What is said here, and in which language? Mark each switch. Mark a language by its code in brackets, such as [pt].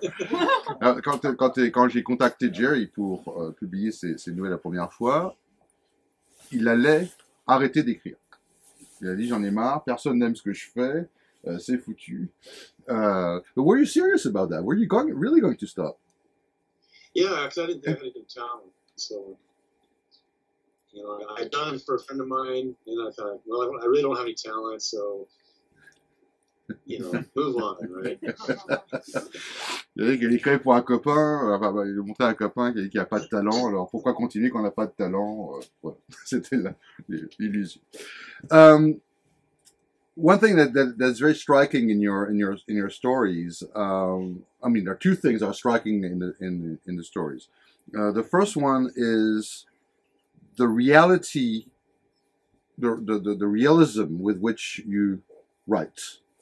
[fr] quand j'ai contacté Jerry pour publier ses nouvelles la première fois, il allait arrêter d'écrire. Il a dit, j'en ai marre, personne n'aime ce que je fais, c'est foutu. [en] But were you serious about that? Were you really going to stop? Yeah, because I didn't have any good talent. So, you know, I'd done it for a friend of mine, and I thought, well, I really don't have any talent, so, you know, move on, right? [fr] Il écrit pour un copain, il montait un copain qui n'a pas de talent, alors pourquoi continuer quand on n'a pas de talent? Ouais, c'était l'illusion. [en] One thing that's very striking in your stories, I mean, there are two things that are striking in the stories. The first one is the reality, the realism with which you write.